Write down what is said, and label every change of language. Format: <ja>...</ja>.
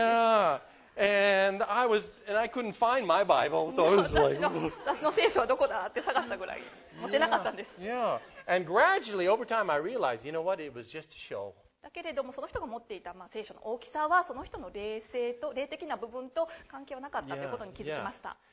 <en>Yeah. And I was, and I couldn't find my Bible, so I was like,</en> <ja>私の聖書はどこだって探したぐらい持ってなかったんです。</ja> <en>Yeah. Yeah. And gradually, over time, I realized, you know what? It was just a show.</en> <ja>だけれどもその人が持っていた、まあ、聖書の大きさはその人の霊性と霊的な部分と関係はなかったということに気づきました。</ja>